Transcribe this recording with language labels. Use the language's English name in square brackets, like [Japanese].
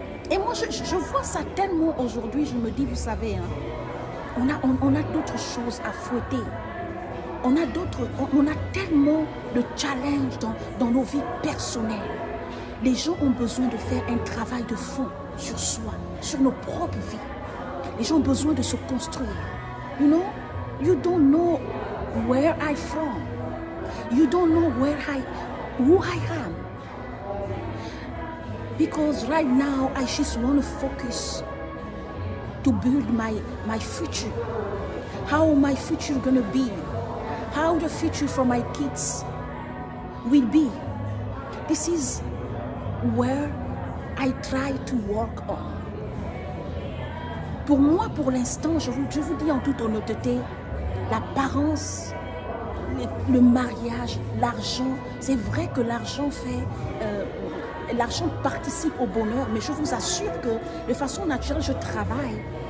[French] Et moi, je vois ça tellement aujourd'hui, je me dis, vous savez, hein, on a d'autres choses à fouetter. On a tellement de challenges dans nos vies personnelles. Les gens ont besoin de faire un travail de fond sur soi, sur nos propres vies. Les gens ont besoin de se construire. [English] You know, you don't know where I from. You don't know who I am. Because right now, I just want to focus to build my future. How my future going to be? How the future for my kids will be? This is where I try to work on. [French] Pour moi, pour l'instant, je vous dis en toute honnêteté, l'apparence, le mariage, l'argent, c'est vrai que l'argent fait... L'argent participe au bonheur, mais je vous assure que de façon naturelle, je travaille.